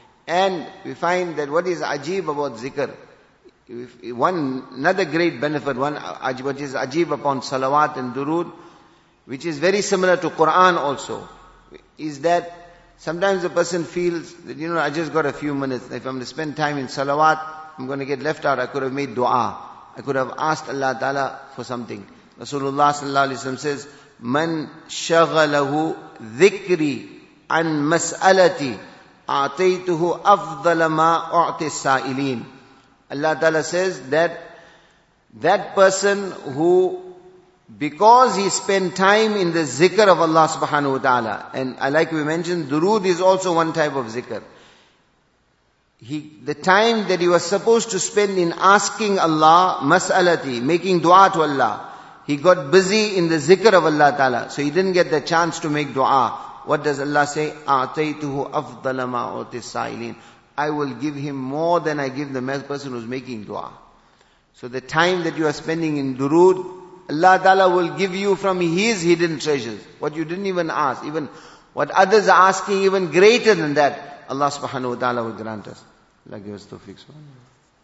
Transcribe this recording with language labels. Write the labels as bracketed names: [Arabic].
[English] And we find that what is ajeeb about zikr, another great benefit, what is ajeeb upon salawat and durood, which is very similar to Quran also, is that sometimes a person feels that, you know, I just got a few minutes. If I'm going to spend time in salawat, I'm going to get left out. I could have made dua. I could have asked Allah Ta'ala for something. Rasulullah sallallahu alayhi wa sallam says, [Arabic] من شغله ذكري عن مسألتي أعطيته أفضل ما أعطي السائلين. [English] Allah Ta'ala says that person who, because he spent time in the zikr of Allah subhanahu wa ta'ala, and like we mentioned, durood is also one type of zikr. The time that he was supposed to spend in asking Allah, mas'alati, making dua to Allah, he got busy in the zikr of Allah Ta'ala, so he didn't get the chance to make dua. What does Allah say? [Arabic] أَعْتَيْتُهُ أَفْضَلَ مَا أُعْتِ السَّائِلِينَ. [English] I will give him more than I give the person who's making dua. So the time that you are spending in durood, Allah Ta'ala will give you from His hidden treasures. What you didn't even ask, even what others are asking, even greater than that, Allah subhanahu wa ta'ala will grant us. Allah give us tawfiq subhanahu wa ta'ala.